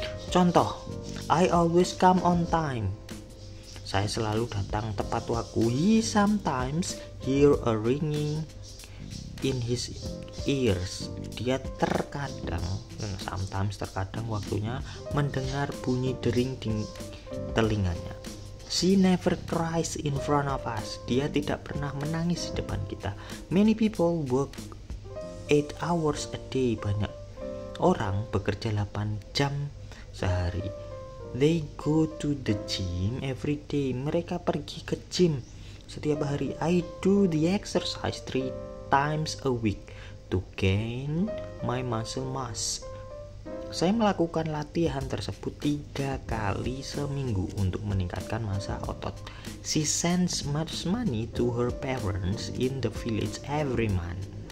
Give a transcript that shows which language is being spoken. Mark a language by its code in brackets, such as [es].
[en] Contoh, I always come on time. [id] Saya selalu datang tepat waktu. [en] He sometimes hear a ringing in his ears. [id] Dia terkadang, sometimes terkadang waktunya mendengar bunyi dering di telinganya. [en] She never cries in front of us. [id] Dia tidak pernah menangis di depan kita. [en] Many people work 8 hours a day. [id] Banyak orang bekerja 8 jam sehari. [en] They go to the gym every day. [id] Mereka pergi ke gym setiap hari. [en] I do the exercise 3 times a week to gain my muscle mass. [id] Saya melakukan latihan tersebut 3 kali seminggu untuk meningkatkan massa otot. [en] She sends much money to her parents in the village every month.